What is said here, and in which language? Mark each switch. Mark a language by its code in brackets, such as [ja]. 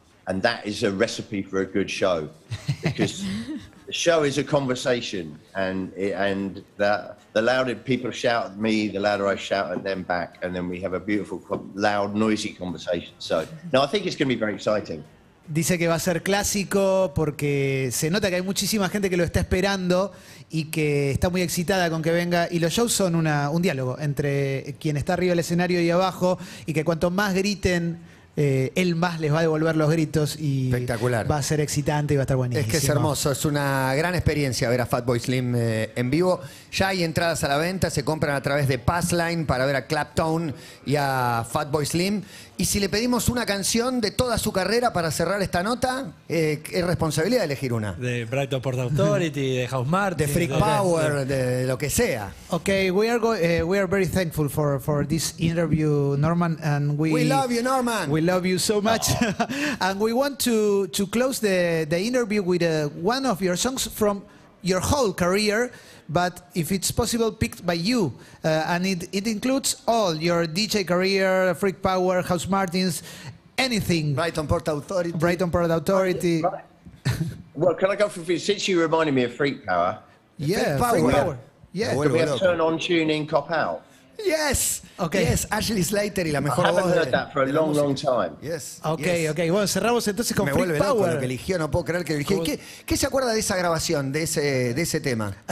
[en] And that is a recipe for a good show, because the show is a conversation, and the louder people shout at me, the louder I shout at them back, and then we have a beautiful, loud, noisy conversation. So, no, I think it's going to be very exciting. [es] dice que va a ser clásico porque se nota que hay muchísima gente que lo está esperando y que está muy excitada con que venga. Y los shows son un diálogo entre quien está arriba del escenario y abajo, y que cuanto más griten, él más les va a devolver los gritos. Y espectacular. Va a ser excitante y va a estar buenísimo. Es que es hermoso, es una gran experiencia ver a Fatboy Slim en vivo. Ya hay entradas a la venta, se compran a través de Passline para ver a Clapton y a Fatboy Slim. Y si le pedimos una canción de toda su carrera para cerrar esta nota, es responsabilidad de elegir una. De Brighton Port Authority, de House Martin, de Freak Power, de lo que sea. [en] Okay, we are very thankful for this interview, Norman, and we love you, Norman. We love you so much. Oh. And we want to close the interview with one of your songs from your whole career. But if it's possible, picked by you, and it includes all your DJ career, Freak Power, House Martins, anything. Brighton Port Authority. Well, can I go for, since you reminded me of Freak Power? Yeah, Freak Power. Yeah. Can we have Turn On, Tune In, Cop Out? Yes. Okay. Yes, [es] Ashley Slater y la mejor voz. [en] I haven't heard that for a long time. Yes. Okay, yes. [es] Okay. Bueno, cerramos entonces con Freak Power. Lo que eligió, no puedo creer que eligió. ¿Qué se acuerda de esa grabación, de ese tema?